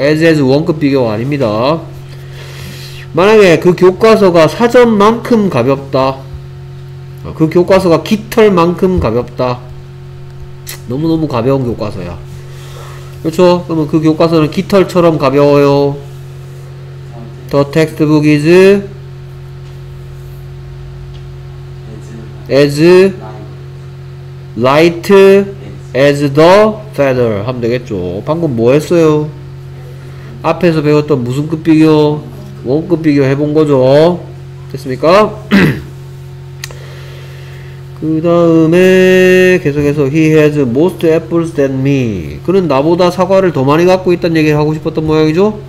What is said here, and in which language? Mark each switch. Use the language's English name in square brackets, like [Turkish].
[Korean] as 원급 비교가 아닙니다. 만약에 그 교과서가 사전만큼 가볍다, 그 교과서가 깃털만큼 가볍다, 너무너무 가벼운 교과서야, 그렇죠? 그러면 그 교과서는 깃털처럼 가벼워요. [English] The textbook is as light as the feather [Korean] 하면 되겠죠. 방금 뭐 했어요? 앞에서 배웠던 무슨 급 비교? 원급 비교 해본 거죠. 됐습니까? 그 다음에 계속해서 [English] he has most apples than me. [Korean] 그는 나보다 사과를 더 많이 갖고 있다는 얘기를 하고 싶었던 모양이죠.